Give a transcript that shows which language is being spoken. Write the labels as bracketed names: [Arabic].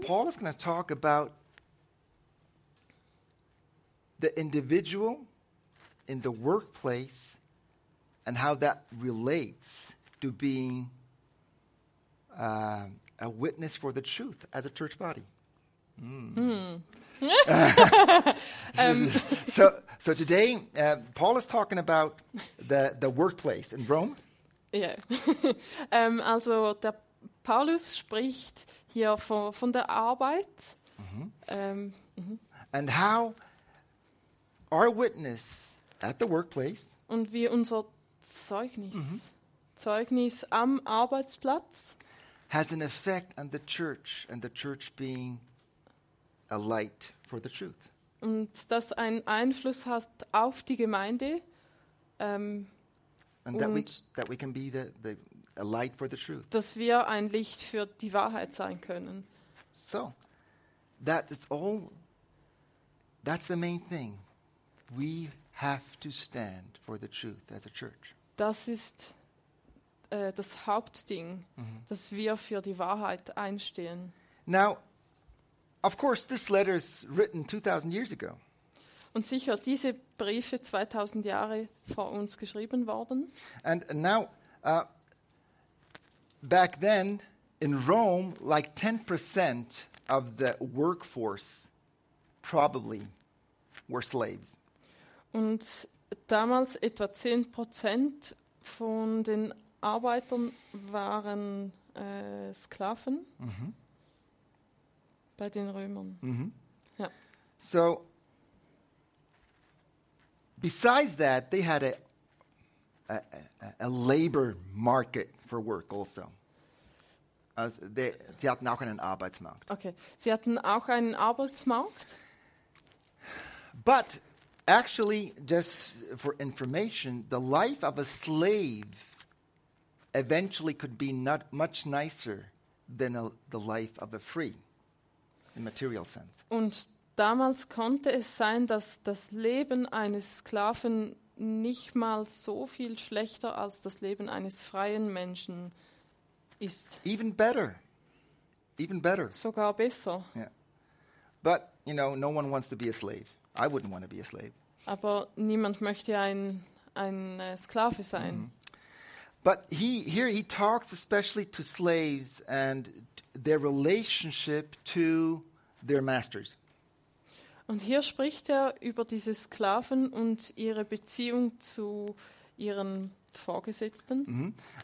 [English] Paul is going to talk about the individual in the workplace and how that relates to being a witness for the truth as a church body. So today Paul is talking about the workplace in Rome. Yeah. [German] also der Paulus spricht hier von der Arbeit. [English] And how our witness at the workplace, [German] und wie unser Zeugnis am Arbeitsplatz, [English] has an effect on the church and the church being a light for the truth. [German] Und das einen Einfluss hat auf die Gemeinde. [English] And that we can be a light for the truth. [German] Dass wir ein Licht für die Wahrheit sein können. [English] So, that's the main thing. We have to stand for the truth as a church. [German] Das ist das Hauptding, dass wir für die Wahrheit einstehen. [English] Now, of course, this letter is written 2,000 years ago. [German] Und sicher, diese Briefe 2,000 Jahre vor uns geschrieben worden. [English] And now, back then, in Rome, like 10% of the workforce probably were slaves. [German] Und damals etwa 10% von den Arbeitern waren Sklaven. Bei den Römern. Ja. [English] So, besides that, they had a labor market for work also. [German] Sie hatten auch einen Arbeitsmarkt. Okay, sie hatten auch einen Arbeitsmarkt. [English] But actually, just for information, the life of a slave eventually could be not much nicer than the life of a free. In material sense. [German] Und damals konnte es sein, dass das Leben eines Sklaven nicht mal so viel schlechter als das Leben eines freien Menschen ist. [English] Even better. [German] Sogar besser. [English] Yeah. But, you know, no one wants to be a slave. I wouldn't want to be a slave. [German] Aber niemand möchte ein Sklave sein. [English] But here he talks especially to slaves and their relationship to their masters. [German] Und hier spricht er über diese Sklaven und ihre Beziehung zu ihren Vorgesetzten.